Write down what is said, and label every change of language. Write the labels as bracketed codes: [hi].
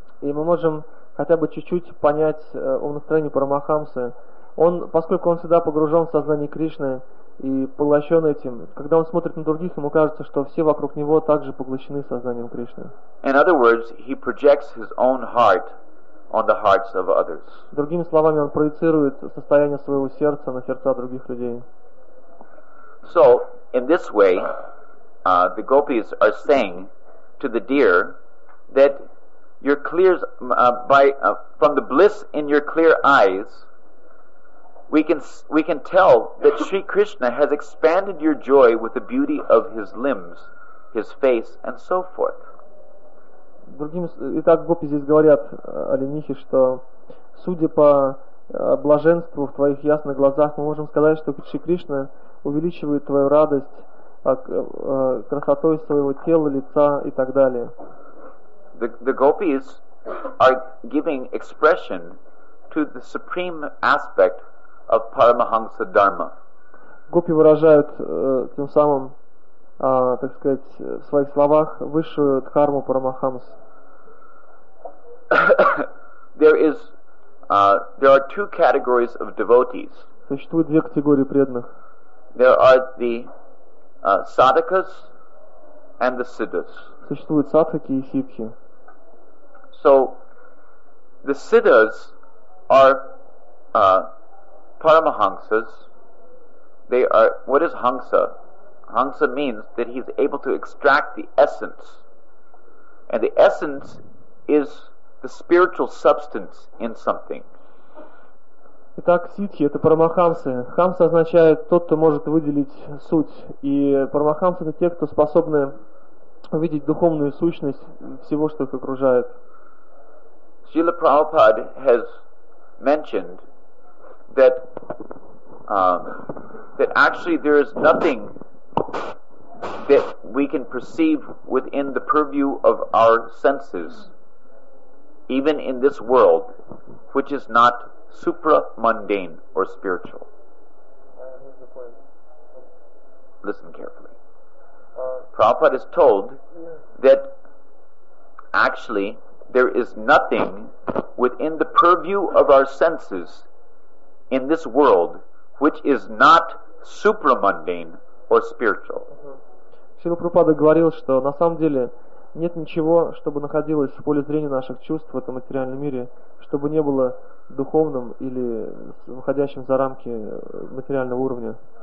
[ru] И мы можем хотя бы чуть-чуть понять о настроении Парамахамсы. Он, поскольку он всегда погружен в сознание Кришны и поглощен этим, когда он смотрит на других, ему кажется, что все вокруг него также поглощены сознанием Кришны. [en] In other words, he projects his own heart on the hearts of others. [ru] Другими словами, он проецирует состояние своего сердца на сердца других людей. [en] So, in this way, the gopis are saying to the deer that you're clear from the bliss in your clear eyes, we can tell that Sri Krishna has expanded your joy with the beauty of his limbs, his face, and so forth. [ru] Итак, гопи здесь говорят о ленихе, что судя по блаженству в твоих ясных глазах, мы можем сказать, что Шри Кришна увеличивает твою радость красотой своего тела, лица и так далее. [en] The gopis are giving expression to the supreme aspect of Paramahamsa Dharma. [ru] Гопи выражают тем самым, так сказать, в своих словах высшую дхарму Парамахамс. [en] There are two categories of devotees. [ru] Существует две категории преданных. [en] There are the sadhakas and the siddhas. [ru] Существуют садхаки и сиддхи. [en] So the siddhas are paramahamsas. They are, what is hamsa? Hamsa means that he's able to extract the essence. And the essence is the spiritual substance in something. [ru] Итак, сиддхи — это парамахамсы. Хамса означает тот, кто может выделить суть. И парамахамсы — это те, кто способны увидеть духовную сущность всего, что их окружает. [en] Srila Prabhupada has mentioned that that actually there is nothing that we can perceive within the purview of our senses, even in this world, which is not supra-mundane or spiritual. Listen carefully. Prabhupada is told that actually there is nothing within the purview of our senses in this world which is not supra-mundane or spiritual. [ru] Шрила Прабхупада говорил, что на самом деле нет ничего, чтобы находилось в поле зрения наших чувств в этом материальном мире, чтобы не было духовным или выходящим за рамки материального уровня.